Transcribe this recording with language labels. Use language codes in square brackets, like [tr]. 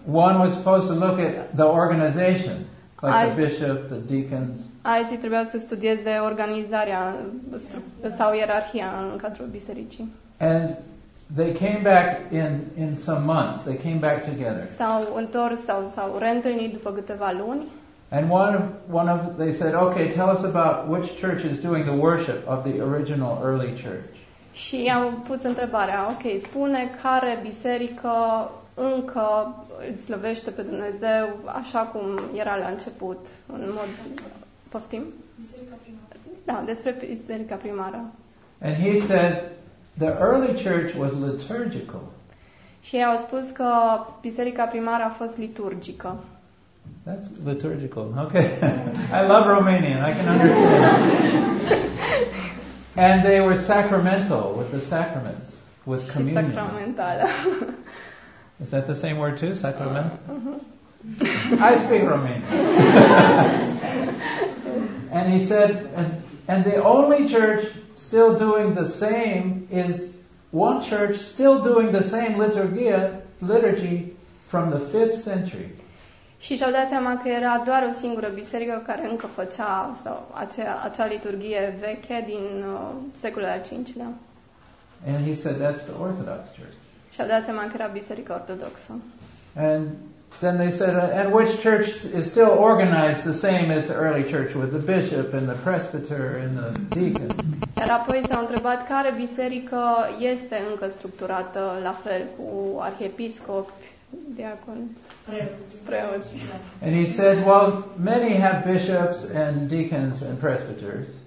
[en] One was supposed to look at the organization, like the bishop, the deacons. [ro] Alții trebuiau să studieze organizarea sau ierarhia în cadrul bisericii. [en] And they came back in some months. They came back together. [ro] S-au întors sau reîntâlnit după câteva luni. [en] And one of they said, okay, tell us about which church is doing the worship of the original early church. [ro] Și am pus întrebarea, okay, spune care biserică încă îl slăvește pe Dumnezeu așa cum era la început, în mod poftim? Biserica primară. [en] And he said, the early church was liturgical. [ro] Și ei au spus că biserica primară a fost liturgică. [en] That's liturgical. Okay. I love Romanian. I can understand. And they were sacramental with the sacraments, with communion. [ro] Sacramental. [en] Is that the same word too? Sacramental? I speak Romanian. And he said, and the only church still doing the same is one church still doing the same liturgy from the 5th century. [ro] Și și-au dat seama că era doar o singură biserică care încă făcea sau acea liturghie veche din secolul al V-lea. [en] And he said that's the Orthodox Church. [ro] Și-au dat seama că era biserica ortodoxă. [en] And then they said, and which church is still organized the same as the early church with the bishop and the presbyter and the deacon? [ro] Iar apoi s-au întrebat care biserică este încă structurată la fel cu arhiepiscop, diacon, preot. [en] And he said, well, many have bishops and deacons and presbyters.